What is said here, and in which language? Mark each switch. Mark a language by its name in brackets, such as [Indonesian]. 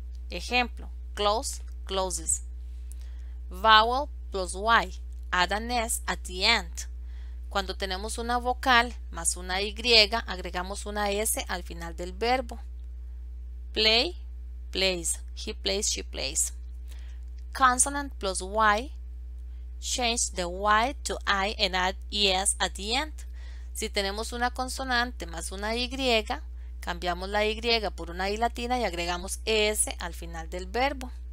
[English] Ejemplo, close, closes. Vowel plus Y, add an S at the end. [Spanish] Cuando tenemos una vocal más una Y, agregamos una S al final del verbo. [English] Play, plays. He plays, she plays. Consonant plus Y, change the Y to I and add ES at the end. [Spanish] Si tenemos una consonante más una Y, cambiamos la Y por una I latina y agregamos ES al final del verbo.